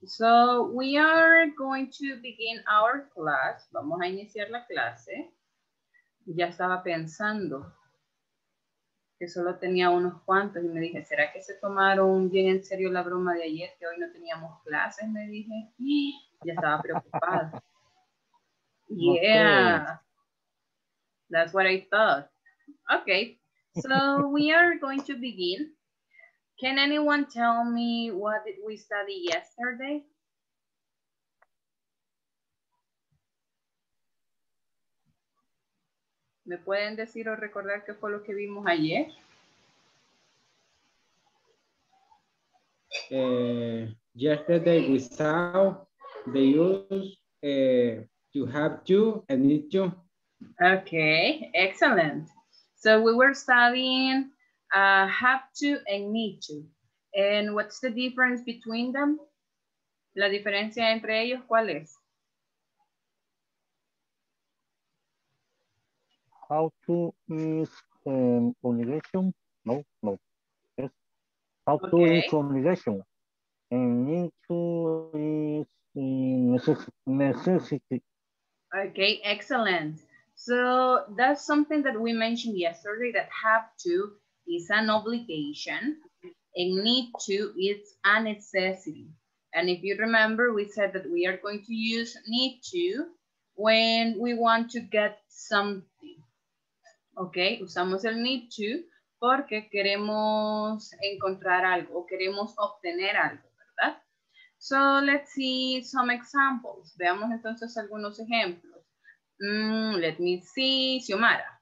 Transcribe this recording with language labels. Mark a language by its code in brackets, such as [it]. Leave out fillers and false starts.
[en] So we are going to begin our class. [es] Vamos a iniciar la clase. Ya estaba pensando que solo tenía unos cuantos y me dije, ¿será que se tomaron bien en serio la broma de ayer que hoy no teníamos clases? Me dije, y ya estaba preocupada. [en] Yeah, okay. That's what I thought. Okay, so we are going to begin. Can anyone tell me what did we study yesterday? [es] ¿Me pueden decir o recordar qué fue lo que vimos ayer? [en] Yesterday we saw the use to have to and need to. Okay, excellent. So we were studying have to and need to. And what's the difference between them? [es] La diferencia entre ellos, ¿cuál es? [en] How to is obligation? No, no. Yes. How okay. To is obligation. And need to is necessity. Okay, excellent. So that's something that we mentioned yesterday, that have to is an obligation and need to is a necessity. And if you remember, we said that we are going to use need to when we want to get something. [es] Okay, usamos el need to porque queremos encontrar algo, queremos obtener algo, ¿verdad? [en] So let's see some examples. [es] Veamos entonces algunos ejemplos. [en] Let me see, Xiomara.